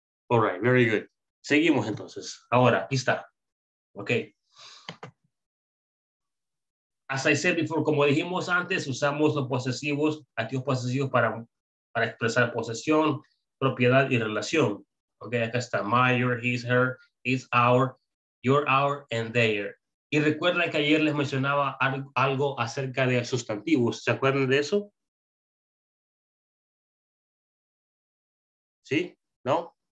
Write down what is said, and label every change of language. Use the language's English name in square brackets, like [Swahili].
[English] All right. Very good. [Spanish] Seguimos entonces. Ahora, aquí está. ¿Ok? [English] as I said before, [Spanish] como dijimos antes, usamos los posesivos, activos posesivos para expresar posesión, propiedad y relación. [English] Okay, acá está my, your, his, her, it's our, your, our, and their. [Spanish] Y recuerda que ayer les mencionaba algo acerca de sustantivos. ¿Se acuerdan de eso? ¿Sí? ¿No?